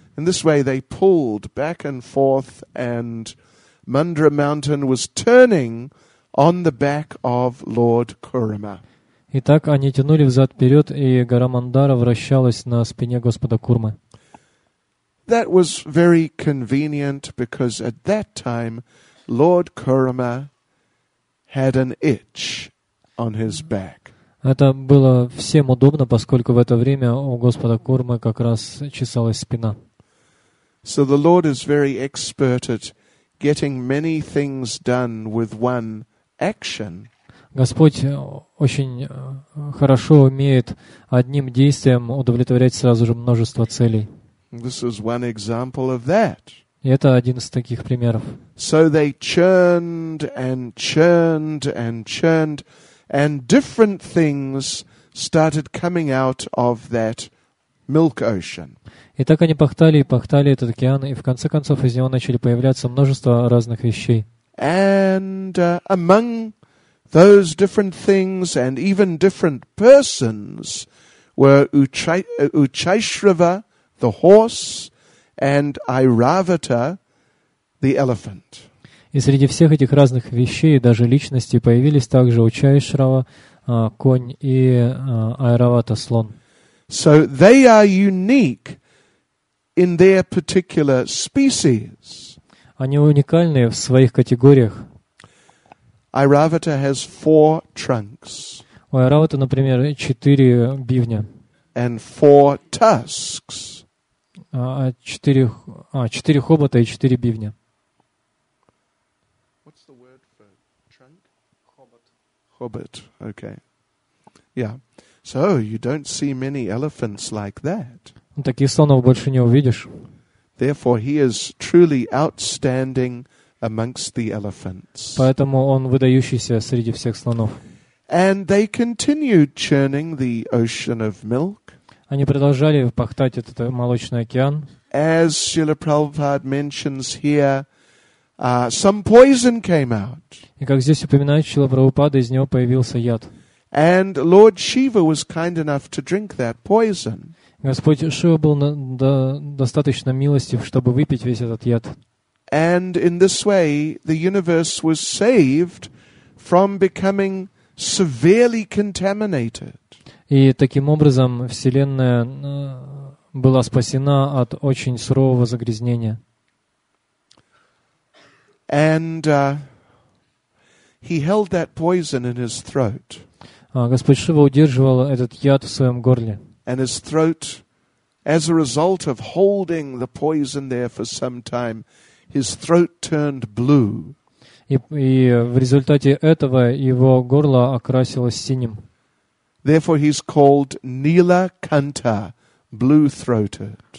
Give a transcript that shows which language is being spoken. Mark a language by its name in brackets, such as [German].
[English] In this way they pulled back and forth, and Mandara Mountain was turning on the back of Lord Kurma. [Russian] И так они тянули взад-вперед, и гора Мандара вращалась на спине Господа Курмы. [English] That was very convenient because at that time Lord Kurma had an itch on his back. [Russian] Это было всем удобно, поскольку в это время у Господа Курмы как раз чесалась спина. [English] So the Lord is very expert at getting many things done with one action. [Russian] Господь очень хорошо умеет одним действием удовлетворять сразу же множество целей. [English] This is one example of that. [Russian] Это один из таких примеров. [English] So they churned and churned and churned, and different things started coming out of that milk ocean. [Russian] И так они пахтали и пахтали этот океан, и в конце концов из него начали появляться множество разных вещей. [English] And among those different things and even different persons were Uchaishrava, the horse, and Airavata, the elephant. [Russian] И среди всех этих разных вещей и даже личностей появились также Учайшрава, конь, и Айравата, слон. [English] So they are unique in their particular species. [Russian] Они уникальны в своих категориях. [English] Airavata has four trunks. [Russian] У Айравата, например, четыре бивня. [English] And four tusks. [Russian] Четыре хобота и четыре бивня. [English] What's the word for trunk? Hobbit. Hobbit, okay. Yeah. So you don't see many elephants like that. [Russian] Таких слонов больше не увидишь. [English] Therefore, he is truly outstanding amongst the elephants. [Russian] Поэтому он выдающийся среди всех слонов. [English] And they continued churning the ocean of milk. [Russian] Они продолжали пахтать этот молочный океан. [English] As Srila Prabhupada mentions here, some poison came out. [Russian] И как здесь упоминает Шрила Прабхупада, из него появился яд. [English] And Lord Shiva was kind enough to drink that poison. [Russian] Господь Шива был достаточно милостив, чтобы выпить весь этот яд. [English] And in this way, the universe was saved from becoming severely contaminated. [Russian] И таким образом Вселенная была спасена от очень сурового загрязнения. [English] And he held that poison in his throat. [Russian] Господь Шива удерживал этот яд в своем горле. [English] And his throat, as a result of holding the poison there for some time, his throat turned blue. [Russian] И в результате этого его горло окрасилось синим. [English] Therefore he's called Nilakanta, blue-throated.